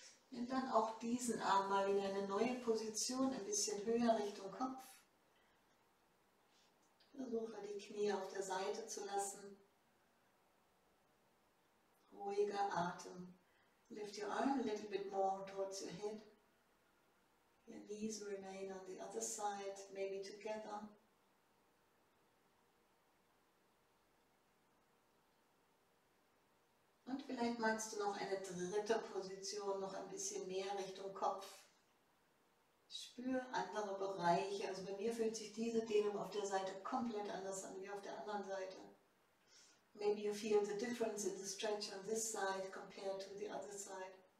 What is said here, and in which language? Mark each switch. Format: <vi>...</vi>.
<de>Nimm dann auch diesen Arm mal wieder in eine neue Position, ein bisschen höher Richtung Kopf. Versuche die Knie auf der Seite zu lassen. Ruhiger Atem.</de> <en>Lift your arm a little bit more towards your head. Your knees remain on the other side, maybe together.</en> <de>Und vielleicht magst du noch eine dritte Position, noch ein bisschen mehr Richtung Kopf. Spür andere Bereiche. Also bei mir fühlt sich diese Dehnung auf der Seite komplett anders an wie auf der anderen Seite.</de> <en>Maybe you feel the difference in the stretch on this side compared to the other side.</en>